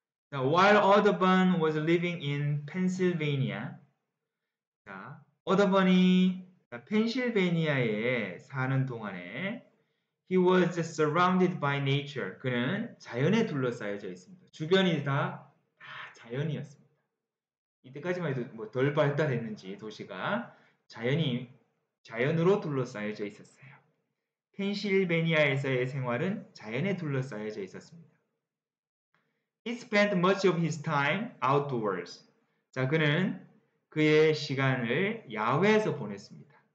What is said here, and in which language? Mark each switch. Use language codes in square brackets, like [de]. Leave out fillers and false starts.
[en] 자, while Audubon was living in Pennsylvania, 자, [ko] Audubon이 펜실베니아에 사는 동안에 [en] He was surrounded by nature. [ko] 그는 자연에 둘러싸여져 있습니다. 주변이 다 자연이었습니다. 이때까지만 해도 뭐 덜 발달했는지 도시가 자연으로 둘러싸여져 있었어요. 펜실베니아에서의 생활은 자연에 둘러싸여져 있었습니다. [en] He spent much of his time outdoors. [ko] 자, 그는 그의 시간을 야외에서 보냈습니다.